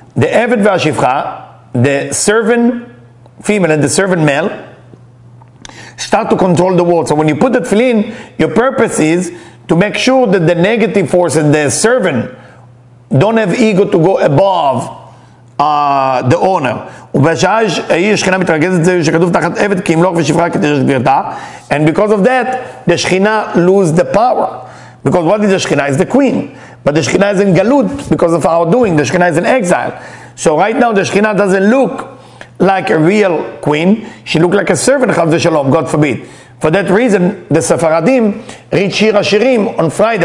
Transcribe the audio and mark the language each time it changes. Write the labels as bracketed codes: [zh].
[en] The עבד והשפחה, the servant female and the servant male, start to control the world. So when you put the תפילין, your purpose is to make sure that the negative force and the servant don't have ego to go above the owner. [he] ובשעה היא השכינה מתרגזת זה שכתוב תחת עבד כי מלוך ושפחה כתרש גבירתה. [en] And because of that, the שכינה lose the power. Because what is the שכינה? It's the queen. But the שכינה is in galut because of our doing. The שכינה is in exile. So right now the שכינה doesn't look like a real queen. She looks like a servant, חס ושלום, God forbid. For that reason, the Sefaradim read Shir HaShirim on Friday.